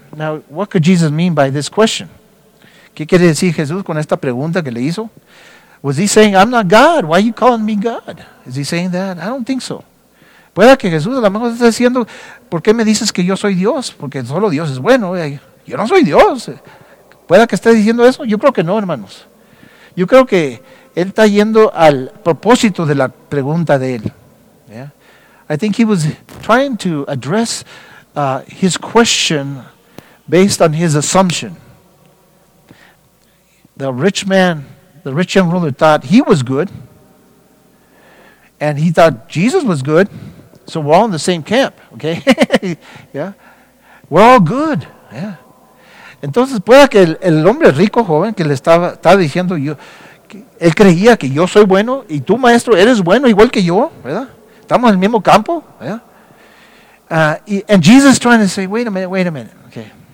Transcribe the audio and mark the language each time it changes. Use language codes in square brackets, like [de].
[en] Now, what could Jesus mean by this question? [es] ¿Qué quiere decir Jesús con esta pregunta que le hizo? [en] Was he saying, "I'm not God, why are you calling me God"? Is he saying that? I don't think so. [es] Puede que Jesús a lo mejor está diciendo, ¿por qué me dices que yo soy Dios? Porque solo Dios es bueno. Yo no soy Dios. ¿Puede que esté diciendo eso? Yo creo que no, hermanos. Yo creo que él está yendo al propósito de la pregunta de él. [en] Yeah. I think he was trying to address his question based on his assumption. The rich man, the rich young ruler thought he was good. And he thought Jesus was good. So we're all in the same camp, okay? Yeah, we're all good. Yeah. [es] Entonces pueda que el hombre rico joven que le estaba diciendo yo, que él creía que yo soy bueno y tú maestro eres bueno igual que yo, ¿verdad? Estamos en el mismo campo, ¿verdad? [en] And Jesus trying to say, wait a minute, okay.